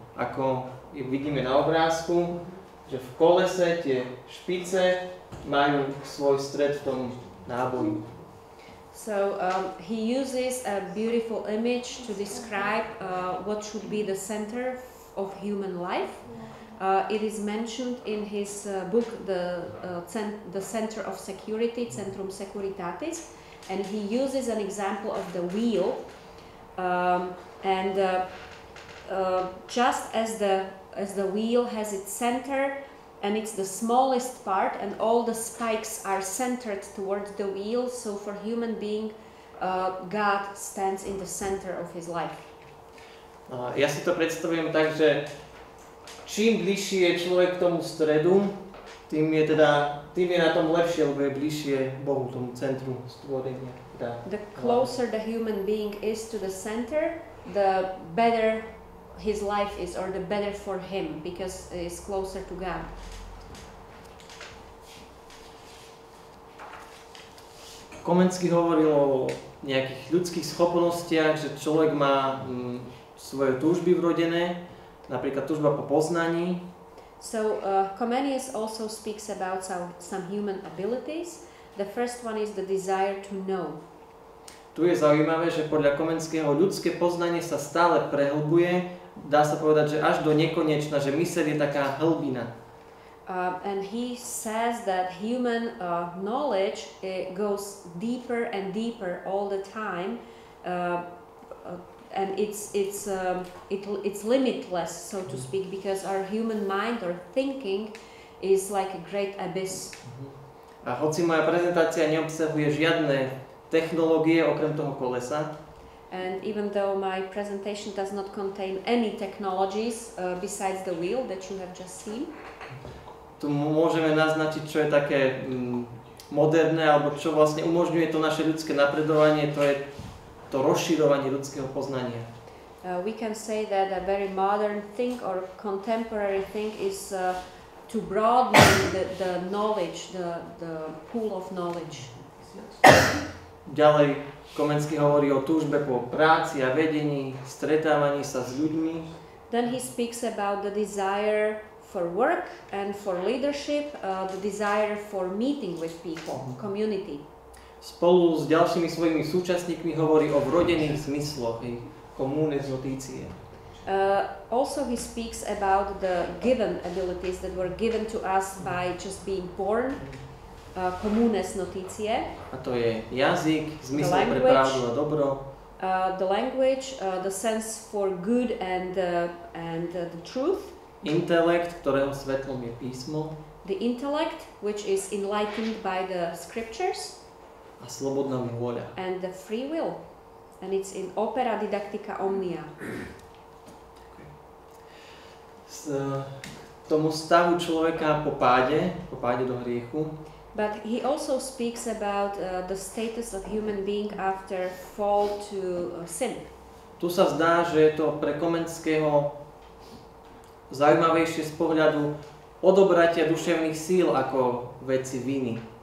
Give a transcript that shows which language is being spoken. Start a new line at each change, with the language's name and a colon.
Slovak: Ako vidíme na obrázku, že v kolese tie špice majú svoj stred v tom náboji.
English: So he uses a beautiful image to describe what should be the center of human life. It is mentioned in his book, the Center of Security, Centrum Securitatis, and he uses an example of the wheel, and just as the wheel has its center, and it's the smallest part, and all the spikes are centered towards the wheel, so for human being, God stands in the center of his life.
Slovak: Ja si to predstavujem tak, že čím bližší je človek k tomu stredu, tým je na tom lepšie, lebo je bližšie Bohu, tomu centru stvorenia.
English: The closer the human being is to the center, the better his life is, or the better for him, because he's closer to God. Komenský hovoril o nejakých ľudských schopnostiach, že človek má svoje túžby vrodené, napríklad túžba po poznaní. So Comenius also speaks about some human abilities. The first one is the desire to know.
Slovak: Tu je zaujímavé, že podľa Komenského ľudské poznanie sa stále prehlbuje. Dá sa povedať, že až do nekonečna, že myseľ je taká hlbina.
English: And he says that human knowledge goes deeper and deeper all the time. And it's limitless, so to speak, because our human mind or thinking is like a great abyss.
Slovak: A hoci moja prezentácia neobsahuje žiadne technológie okrem toho kolesa.
English: And even though my presentation does not contain any technologies besides the wheel that you have just seen.
Slovak: Tu môžeme naznačiť, čo je také moderné alebo čo vlastne umožňuje to naše ľudské napredovanie, to je to rozširovanie ľudského poznania.
English: We can say that a very modern thing or contemporary thing is to broaden the knowledge, the pool of knowledge.
Slovak: Ďalej Komenský hovorí o túžbe po práci a vedení, stretávaní sa s ľuďmi.
English: Then he speaks about the desire for work and for leadership, the desire for meeting with people, community.
Slovak: Spolu s ďalšími svojimi súčasníkmi hovorí o vrodených zmysloch, communes notitiae.
English: Also he speaks about the given abilities that were given to us by just being born, communes notitiae.
Slovak: A to je jazyk, zmysel pre pravdu a dobro.
English: the language, the sense for good and the truth.
Slovak: Intellect, ktorému svetlom je písmo.
English: The intellect, which is enlightened by the scriptures.
Slovak: A slobodná vôľa.
English: And the free will. And it's in opera didactica omnia.
Slovak: Tomu stavu človeka po páde do hriechu.
English: But he also speaks about the status of human being after fall to sin.
Slovak: Tu sa zdá, že je to pre Komenského zaujímavejšie z pohľadu odobratia duševných síl ako veci viny.